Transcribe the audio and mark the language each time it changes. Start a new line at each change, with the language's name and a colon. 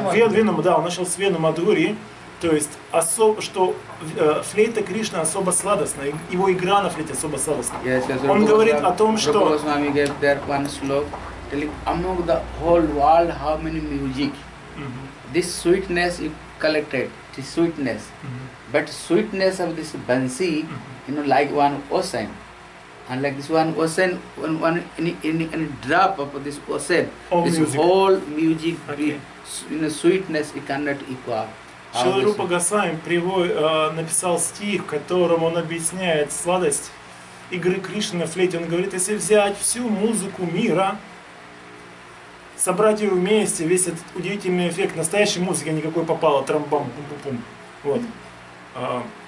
Russian: Вену, да, он начал с Вену мадурии. То есть, особо, что флейта Кришна особо сладостная, его игра на флейте особо сладостная. Он говорит о том, что...
English: Telling among the whole world how many music. This sweetness you collected, this sweetness. But sweetness of this bansi, you know, like one ocean. And like this one ocean, any drop of this ocean, all this music. Whole music, okay. You know, sweetness you cannot equal.
Russian: Шрила Рупа Госвами написал стих, в котором он объясняет сладость игры Кришны на флейте. Он говорит, если взять всю музыку мира, собрать ее вместе, весь этот удивительный эффект, настоящей музыки, а не какой попало, трам-бам, пум-пум-пум, вот.